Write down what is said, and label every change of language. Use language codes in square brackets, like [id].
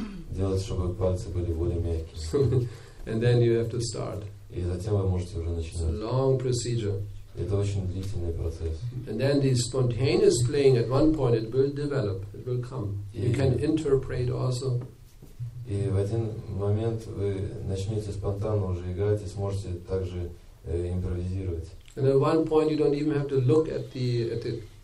[ru] Делать, чтобы пальцы были более мягкими. [en] And then you have to start. [ru] И затем вы можете уже начинать. [en] It's a long procedure. [ru] Это очень длительный процесс. [en] And then the spontaneous playing at one point it will develop, it will come. You can interpret also. [ru] И в один момент вы начнете спонтанно уже играть и сможете также импровизировать. [en] And at one point you don't even have to look at the.